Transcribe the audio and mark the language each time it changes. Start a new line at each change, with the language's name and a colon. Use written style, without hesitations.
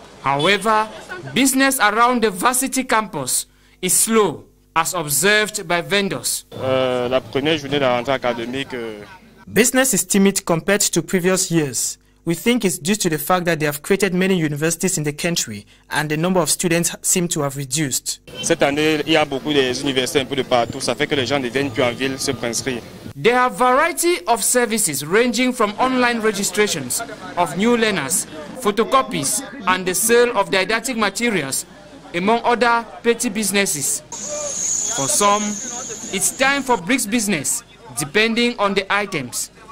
English: However, business around the varsity campus is slow, as observed by vendors.
French: La première journée de rentrée académique,
English: business is timid compared to previous years. We think it's due to the fact that they have created many universities in the country and the number of students seem to have reduced.
French: Cette année, il y a beaucoup d'universités un peu de partout, ça fait que les gens ne viennent plus en ville se préinscrire.
English: There are variety of services ranging from online registrations of new learners, photocopies and the sale of didactic materials, among other petty businesses. For some, it's time for bricks business, depending on the items.